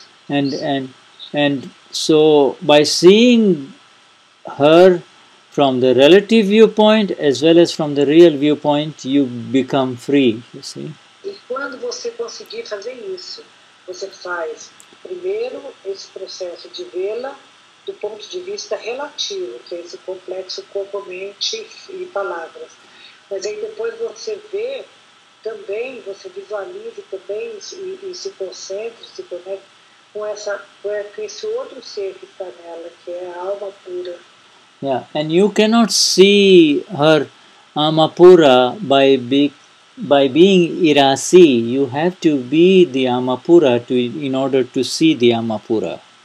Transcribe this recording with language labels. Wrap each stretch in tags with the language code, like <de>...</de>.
<en>And so by seeing her from the relative viewpoint as well as from the real viewpoint, you become free, you see.</en> <pt>E quando você conseguir fazer isso, você faz primeiro esse processo de vê-la do ponto de vista relativo, que é esse complexo corpo-mente e palavras. Mas aí depois você vê também, você visualiza também e se concentra, se conecta com esse outro ser que está nela, que é a alma pura.</pt> <en>Yeah, and you cannot see her Amapura by be, by being irasi, you have to be the amapura to in order to see the amapura.</en>